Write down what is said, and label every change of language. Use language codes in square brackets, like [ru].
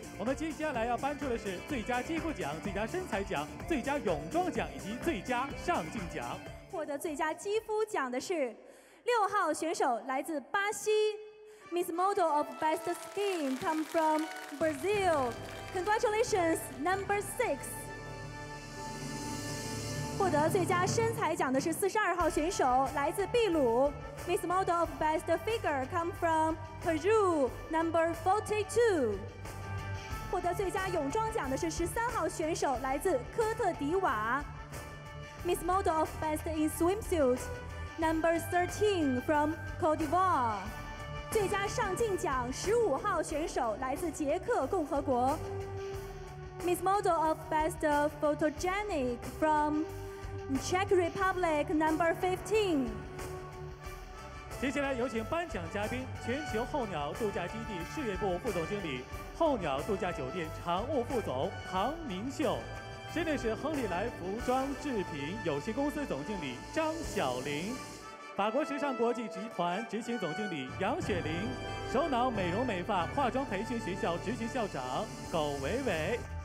[zh] 我们接下来要颁出的是最佳肌肤奖、最佳身材奖、最佳泳装奖以及最佳上镜奖。获得最佳肌肤奖的是六号选手，来自巴西 ， [en] Miss Model of Best Skin come from Brazil。 Congratulations, number six。 [zh] 获得最佳身材奖的是42号选手，来自秘鲁 [en] ，Miss Model of Best Figure come from Peru, number 42。 [zh] 获得最佳泳装奖的是13号选手，来自科特迪瓦 [en] ，Miss Model of Best in Swimsuit number 13 from Cote d'Ivoire。 [zh] 最佳上镜奖15号选手，来自捷克共和国。 [en] Miss Model of Best Photogenic from Czech Republic, number 15. [zh] 接下来有请颁奖嘉宾，全球候鸟度假基地事业部副总经理，候鸟度假酒店常务副总唐明秀，现在是亨利莱服装制品有限公司总经理张小玲，法国时尚国际集团执行总经理杨雪玲，首脑美容美发化妆培训学校执行校长苟维维。